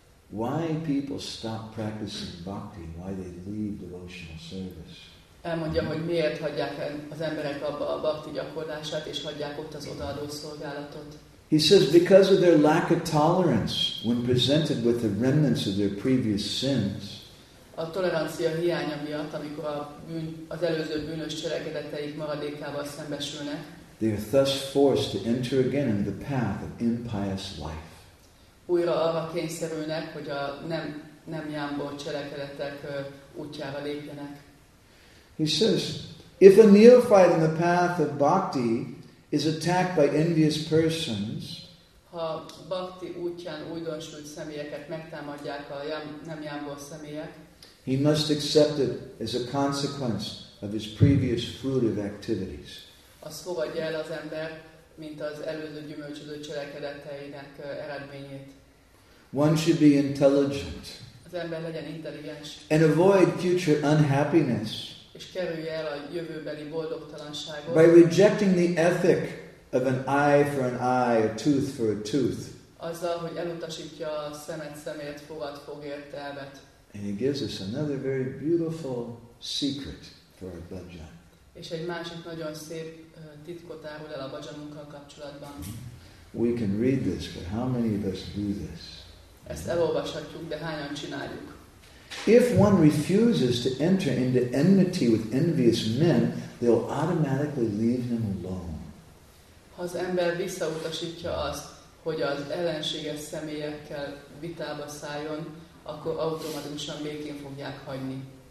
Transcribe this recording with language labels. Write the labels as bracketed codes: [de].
[en] Why people stop practicing bhakti, why they leave devotional service. [hu] Elmondja, hogy miért hagyják az emberek abba a bhakti gyakorlását, és hagyják ott az odaadó szolgálatot. [en] He says, because of their lack of tolerance when presented with the remnants of their previous sins. [hu] A tolerancia hiánya miatt, amikor az előző bűnös cselekedeteik maradékával szembesülnek. [en] They are thus forced to enter again in the path of impious life. [hu] Újra arra kényszerülnek, hogy a nem jámbor cselekedetek útjára lépjenek. [en] He says, if a neophyte in the path of bhakti is attacked by envious persons, [hu] ha bhakti útján újdonsült személyeket megtámadják a nem jámbor személyek, [en] he must accept it as a consequence of his previous fruitive activities. [hu] Azt fogadja el az ember, mint az előző gyümölcsöző cselekedeteinek eredményét. [en] One should be intelligent. [hu] Az ember legyen intelligens. [en] And avoid future unhappiness. [hu] És kerülje el a jövőbeli boldogtalanságot. [en] By rejecting the ethic of an eye for an eye, a tooth for a tooth. [hu] Azzal, hogy elutasítja a szemet szemért, fogat fogért elvet. [en] And he gives us another very beautiful secret for our bhajan. [hu] És egy másik nagyon szép titkot árul el a bhajanunkkal kapcsolatban. [en] We can read this, but how many of us do this? [hu] Ezt elolvashatjuk, de hányan csináljuk? [en] If one refuses to enter into enmity with envious men, they'll automatically leave him alone. [hu] Ha az ember visszautasítja azt, hogy az ellenséges személyekkel vitába szálljon, akkor automatikusan békén fogják hagyni.